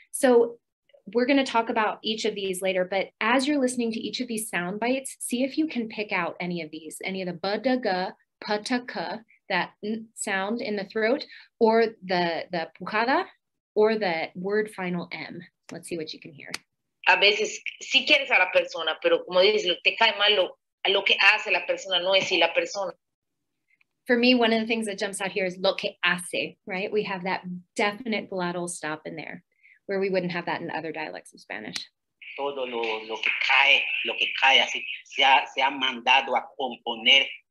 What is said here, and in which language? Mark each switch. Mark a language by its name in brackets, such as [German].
[English] So we're gonna talk about each of these later, but as you're listening to each of these sound bites, see if you can pick out any of these, any of the ba-da-ga, pa-ta-ka, that N sound in the throat, or the pujada, or the word final M. Let's see what you can hear. [Spanish] A veces sí quieres a la persona, pero como dices, te cae mal lo que hace la persona, no es si la persona. [English] For me, one of the things that jumps out here is lo que hace, right? We have that definite glottal stop in there where we wouldn't have that in other dialects of Spanish. [Spanish] Todo lo que cae, así, se ha mandado a componer.